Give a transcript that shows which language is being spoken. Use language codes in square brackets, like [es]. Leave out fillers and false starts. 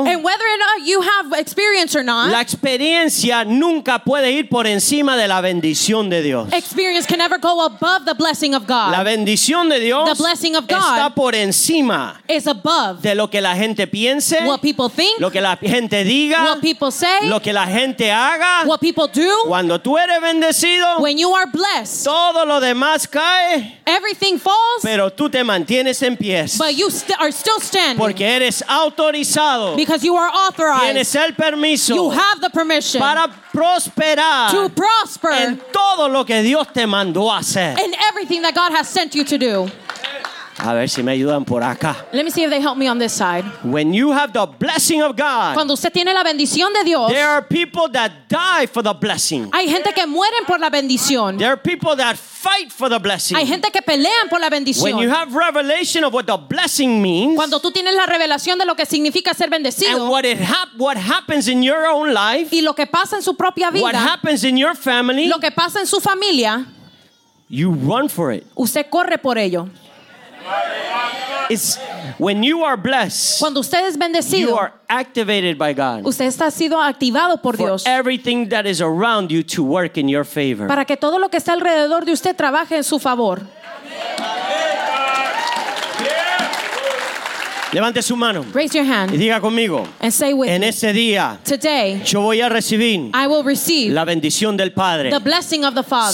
[en] and whether or not you have experience or not, [es] la experiencia nunca puede ir por encima de la bendición de Dios. [en] Experience can never go above the blessing of God. [es] La bendición de Dios, [en] the blessing of God, [es] está por encima, [en] is above, [es] de lo que la gente piense, [en] what people think, [es] lo que la gente diga, [en] what people say, [es] lo que la gente haga, [en] what people do. [es] Cuando tú eres bendecido, [en] when you are blessed, [es] todo lo demás cae, [en] everything falls, [es] pero tú te mantienes en pie. [en] Are still standing. [es] Porque eres autorizado. [en] Because you are authorized. [es] Tienes el permiso. [en] You have the permission. [es] Para prosperar. [en] To prosper. [es] En todo lo que Dios te mandó hacer. [en] In everything that God has sent you to do. [es] A ver si me ayudan por acá. [en] Let me see if they help me on this side. When you have the blessing of God, [es] cuando usted tiene la bendición de Dios, [en] there are people that die for the blessing. [es] Hay gente que mueren por la bendición. [en] There are people that fight for the blessing. [es] Hay gente que pelean por la bendición. [en] When you have revelation of what the blessing means, [es] cuando tú tienes la revelación de lo que significa ser bendecido, [en] and what happens in your own life, [es] y lo que pasa en su propia vida, [en] what happens in your family, [es] lo que pasa en su familia, [en] you run for it. [es] Usted corre por ello. [en] It's when you are blessed. [es] Cuando usted es bendecido, [en] you are activated by God. [es] Usted está sido activado por Dios. [en] For everything that is around you to work in your favor. [es] Para que todo lo que está alrededor de usted trabaje en su favor. Levante su mano. [en] Raise your hand. [es] Y diga conmigo. [en] And say with [es] en [en] me. [es] Ese día, [en] today, [es] yo voy a recibir, [en] I will receive [es] la bendición del Padre. [en] The blessing of the Father.